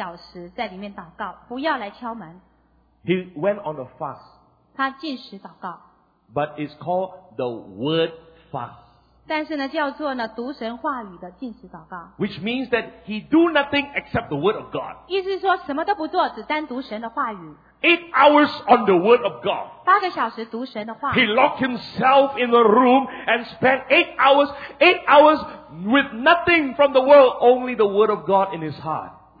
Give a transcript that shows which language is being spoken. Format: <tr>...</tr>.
<zh>我要关锁我的门8个小时在里面祷告, 不要来敲门。</zh> <en>He went on a fast.</en> <zh>他禁食祷告。</zh> <en>But it's called the word fast.</en> <zh>但是呢,叫做呢,读神话语的禁食祷告。</zh> <en>Which means that he do nothing except the word of God.</en> <zh>意思说什么都不做,只单读神的话语。</zh> <en>8 hours on the word of God.</en> <zh>八个小时读神的话,</zh> <en>he locked himself in a room and spent eight hours with nothing from the world, only the word of God in his heart.</en>